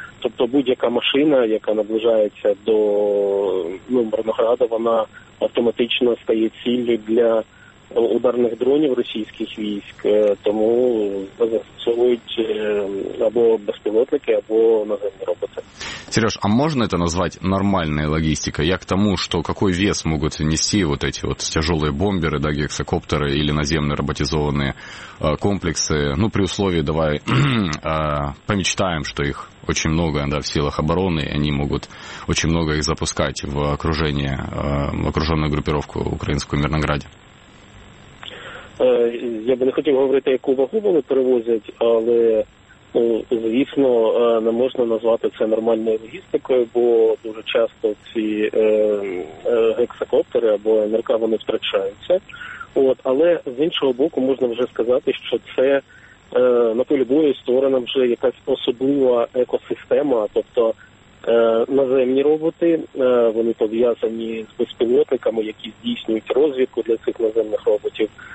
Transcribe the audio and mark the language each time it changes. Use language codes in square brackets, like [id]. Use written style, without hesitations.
[uk] Тобто будь-яка машина, яка наближається до Мирнограда, вона автоматично стає ціллю для ударних дронів російських військ, тому застосовують або безпілотники, або наземні роботи. [ru] Сереж, а можно это назвать нормальной логистикой? Я к тому, что какой вес могут нести вот эти вот тяжелые бомберы, да, гексокоптеры или наземные роботизованные комплексы? Ну, при условии, давай помечтаем, что их очень много, да, в силах обороны, и они могут очень много их запускать в окружение, в окруженную группировку украинскую в Мирнограде. [uk] Я би не хотів говорити, яку вагу вони перевозять, але, ну, звісно, не можна назвати це нормальною логістикою, бо дуже часто ці гексакоптери або НРК вони втрачаються. От, але з іншого боку можна вже сказати, що це на полі бою створена вже якась особлива екосистема, тобто наземні роботи, вони пов'язані з безпілотниками, які здійснюють розвідку для цих наземних роботів.